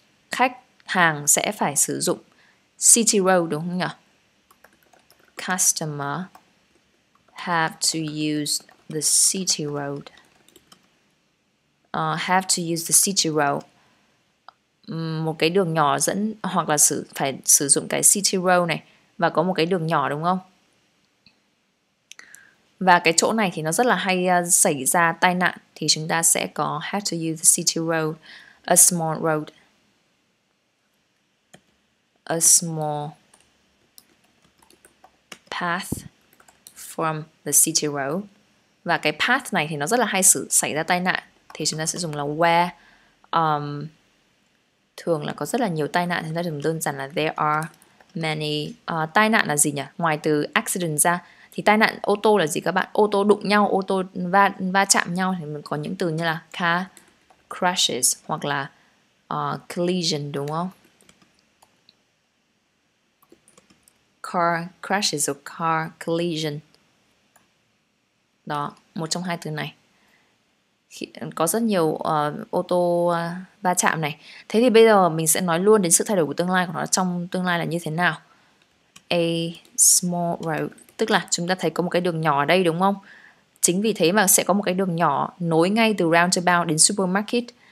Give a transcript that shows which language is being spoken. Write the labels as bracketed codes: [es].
[vi] Khách hàng sẽ phải sử dụng City Road đúng không nhỉ? [en] Customer have to use the City Road. Have to use the City Road. [vi] Một cái đường nhỏ dẫn, hoặc là phải sử dụng cái City Road này, và có một cái đường nhỏ đúng không? Và cái chỗ này thì nó rất là hay xảy ra tai nạn, thì chúng ta sẽ có [en] have to use the City Road, [vi] a small path from the City Road. Và cái path này thì nó rất là hay xảy ra tai nạn, thì chúng ta sẽ dùng là where. Thường là có rất là nhiều tai nạn, chúng ta dùng đơn giản là [en] there are many. [vi] Tai nạn là gì nhỉ? Ngoài từ accident ra thì tai nạn ô tô là gì các bạn? Ô tô đụng nhau, ô tô va chạm nhau thì mình có những từ như là [en] car crashes [vi] hoặc là collision đúng không? [en] Car crashes or car collision. [vi] Đó, một trong hai từ này. Có rất nhiều ô tô va chạm này. Thế thì bây giờ mình sẽ nói luôn đến sự thay đổi của tương lai của nó trong tương lai là như thế nào. [en] A small road. [vi] Tức là chúng ta thấy có một cái đường nhỏ ở đây đúng không? Chính vì thế mà sẽ có một cái đường nhỏ nối ngay từ roundabout đến supermarket.